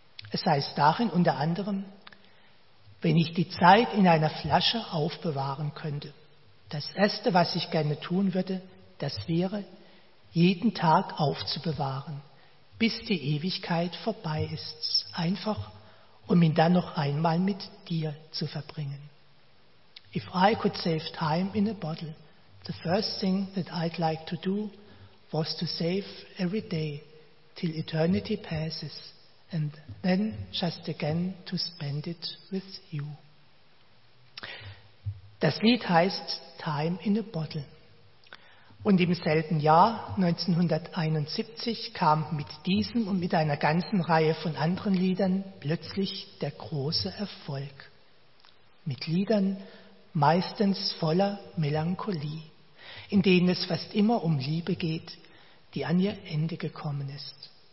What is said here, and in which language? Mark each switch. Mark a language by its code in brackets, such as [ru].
[de] Es heißt darin unter anderem: Wenn ich die Zeit in einer Flasche aufbewahren könnte, das Erste, was ich gerne tun würde, das wäre, jeden Tag aufzubewahren, bis die Ewigkeit vorbei ist, einfach, um ihn dann noch einmal mit dir zu verbringen. [en] If I could save time in a bottle, the first thing that I'd like to do was to save every day till eternity passes and then just again to spend it with you. [de] Das Lied heißt Time in a Bottle. Und im selben Jahr, 1971, kam mit diesem und mit einer ganzen Reihe von anderen Liedern plötzlich der große Erfolg. Mit Liedern meistens voller Melancholie, in denen es fast immer um Liebe geht, die an ihr Ende gekommen ist.